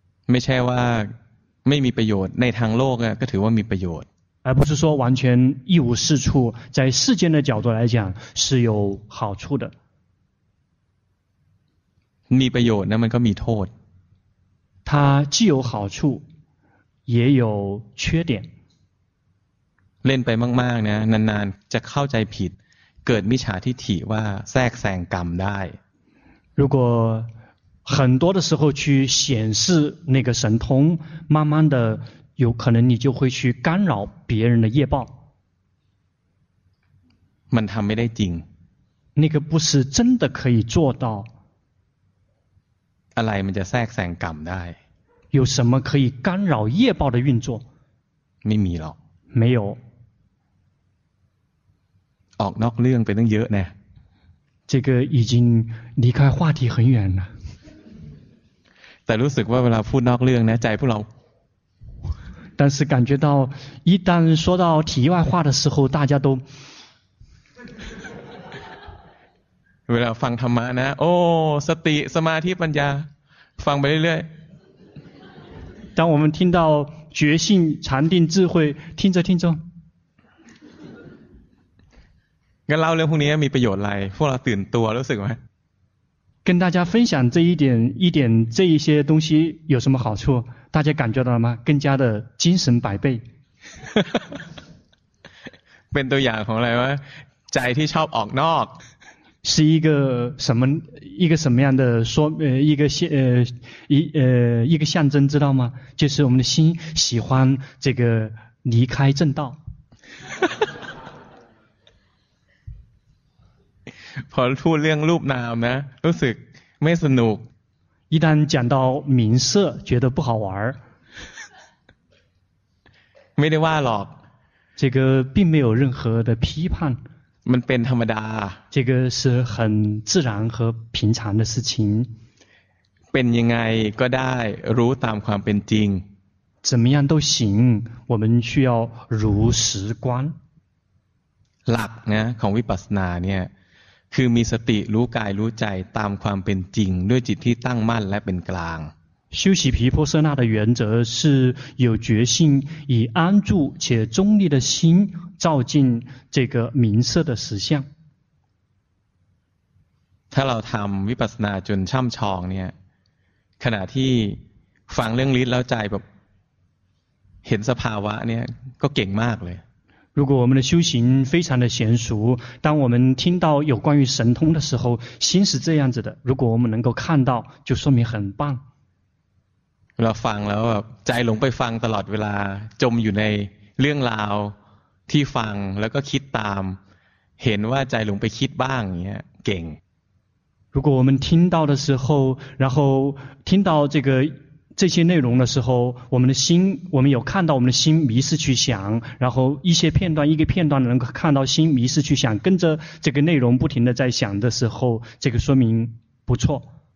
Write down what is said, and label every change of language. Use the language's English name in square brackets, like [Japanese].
[Thai] ไม่ใช่ว่าไม่มีประโยชน์ในทางโลกก็ถือว่ามีประโยชน์ [Chinese] 而不是说完全一无是处在世间的角度来讲是有好处的 [Thai] มีประโยชน์นะมันก็มีโทษ [Chinese] 它既有好处也有缺点 [Thai] เล่นไปมากๆนะนานๆจะเข้าใจผิดเกิดมิจฉาทิฐิว่าแทรกแซงกรรมได้ [Chinese] 如果很多的时候去显示那个神通慢慢的有可能你就会去干扰别人的业报 [Thai] มันทำไม่ได้จริง [Chinese] 那个不是真的可以做到 [Thai] อะไรมันจะแทรกแซงกรรมได้ [Chinese] 有什么可以干扰业报的运作 [Thai] ไม่มีหรอก [Chinese] 没有 [Thai] ออกนอกเรื่องไปตั้งเยอะแน่ [Chinese] 这个已经离开话题很远了 [Thai] แต่รู้สึกว่าเวลาพูดนอกเรื่องนะใจพวกเรา [Chinese] 但是感觉到一旦说到题外话的时候大家都 [Thai] เวลาฟังธรรมะนะโอ้สติสมาธิปัญญาฟังไปเรื่อย [Chinese] 当我们听到觉性禅定智慧听着听着 [Thai] งั้นเล่าเรื่องพวกนี้มีประโยชน์อะไรพวกเราตื่นตัวรู้สึกไหม [Chinese] 跟大家分享这一点这一些东西有什么好处大家感觉到了吗更加的精神百倍 [Thai] เป็นตัวอย่างของอะไรวะใจที่ชอบออกนอก [Chinese] 是一个什么样的说一个象征知道吗就是我们的心喜欢这个离开正道 [Thai] พอพูดเรื่องรูปนามนะรู้สึกไม่สนุก [Chinese] 一旦讲到名色觉得不好玩 [Thai] ไม่ได้ว่าหรอก [Chinese] 这个并没有任何的批判 [Thai] มันเป็นธรรมดา [Chinese] 这个是很自然和平常的事情 [Thai] เป็นยังไงก็ได้รู้ตามความเป็นจริง [Chinese] 怎么样都行我们需要如实观 [Thai] หลักนะของวิปัสสนาเนี่ยคือมีสติรู้กายรู้ใจตามความเป็นจริงด้วยจิตที่ตั้งมั่นและเป็นกลาง [Chinese] 修习毗婆舍那的原则是有觉性以安住且中立的心照进这个明色的实相 [Thai] ถ้าเราทำวิปัสสนาจนช่ำชองเนี่ยขณะที่ฟังเรื่องลิ้นแล้วใจแบบเห็นสภาวะเนี่ยก็เก่งมากเลย [Chinese] 如果我们的修行非常的娴熟当我们听到有关于神通的时候心是这样子的如果我们能够看到就说明很棒 [Thai] เราฟังแล้วใจหลงไปฟังตลอดเวลาจมอยู่ในเรื่องราวที่ฟังแล้วก็คิดตามเห็นว่าใจหลงไปคิดบ้างอย่างเงี้ยเก่ง [Chinese] 如果我们听到的时候然后听到这个这些内容的时候我们的心我们有看到我们的心迷失去想然后一些片段一个片段能够看到心迷失去想跟着这个内容不停的在想的时候这个说明不错